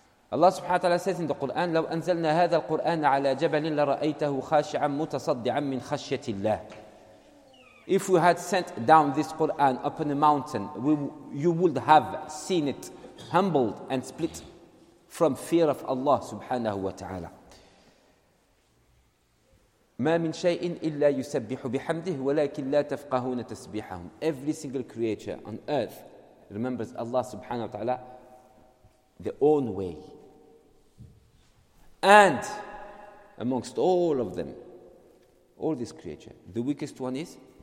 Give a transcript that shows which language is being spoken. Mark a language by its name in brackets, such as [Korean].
[English] Allah subhanahu wa ta'ala says in the Quran, [Arabic] لو أنزلنا هذا القرآن على جبل لرأيته خاشعا متصدعا من خشية الله. [English] If we had sent down this Quran upon a mountain, you would have seen it humbled and split from fear of Allah subhanahu wa ta'ala. [Arabic] ما من شيء إلا يسبح بحمده ولكن لا تفقهون تسبيحهم. [English] Every single creature on earth remembers Allah subhanahu wa ta'ala their own way. And amongst all of them, all this creature, the weakest one is?